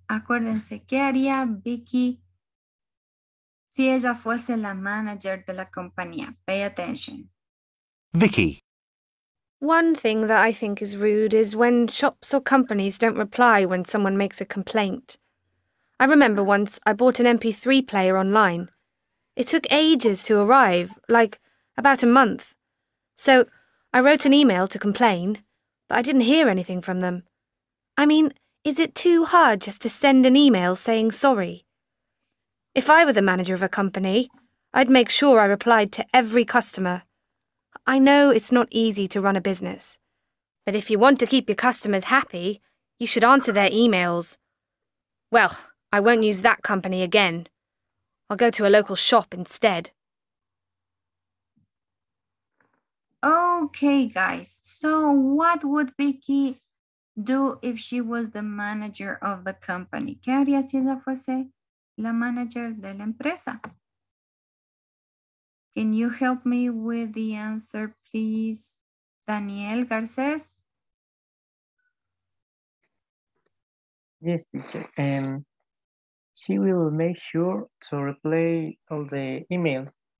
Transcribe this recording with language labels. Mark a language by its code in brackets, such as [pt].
[es] Acuérdense, ¿qué haría Becky si ella fuese la manager de la compañía? [en] Pay attention. Vicky. One thing that I think is rude is when shops or companies don't reply when someone makes a complaint. I remember once I bought an MP3 player online. It took ages to arrive, like about a month. So I wrote an email to complain, but I didn't hear anything from them. I mean, is it too hard just to send an email saying sorry? If I were the manager of a company, I'd make sure I replied to every customer. I know it's not easy to run a business, but if you want to keep your customers happy, you should answer their emails. Well, I won't use that company again. I'll go to a local shop instead. Okay, guys. So what would Vicky do if she was the manager of the company? [es] ¿Qué haría si ella fuese la manager de la empresa? [en] Can you help me with the answer, please, Daniel Garcés? Yes, teacher. She will make sure to reply all the emails.